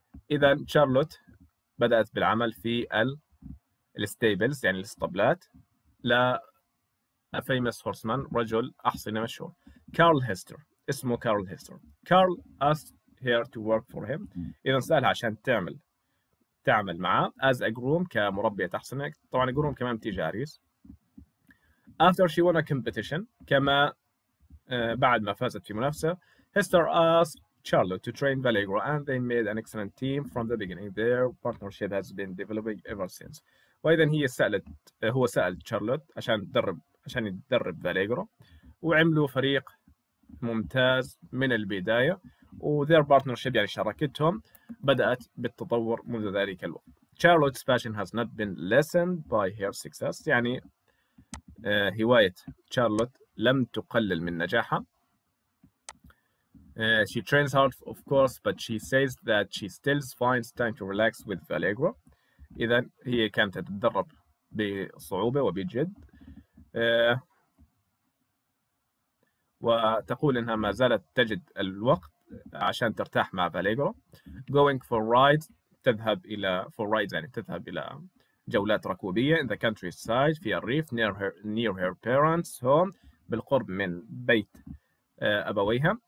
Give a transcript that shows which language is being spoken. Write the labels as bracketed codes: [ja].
[ar] إذن Charlotte بدأت بالعمل في الستيبلز يعني الاسطبلات لـ [en] a famous horseman، [ar] رجل أحصنة مشهور. [en] Carl Hester، اسمه Carl Hester. Carl asked here to work for him. [ar] إذا سألها عشان تعمل معه [en] as a groom، [ar] كمربية أحصنة. طبعا groom كمان تجاريس. [en] After she won a competition، [ar] كما بعد ما فازت في منافسة، [en] Hester asked Charlotte to train Vallegro and they made an excellent team from the beginning. Their partnership has been developing ever since. [ar] وإذا هي سألت هو سأل Charlotte عشان يدرب Vallegro، وعملوا فريق ممتاز من البداية، و [en] their partnership [ar] يعني شراكتهم بدأت بالتطور منذ ذلك الوقت. [en] Charlotte's passion has not been lessened by her success، [ar] يعني هواية Charlotte لم تقلل من نجاحها. [en] She trains hard of course but she says that she still finds time to relax with Vallegro. [ar] إذا هي كانت تتدرب بصعوبة وبجد، وتقول إنها ما زالت تجد الوقت عشان ترتاح مع فاليغرو. [en] going for rides، [ar] تذهب الى [en] for rides [ar] يعني تذهب الى جولات ركوبيه [en] in the countryside [ar] في الريف [en] near her parents home، [ar] بالقرب من بيت ابويها.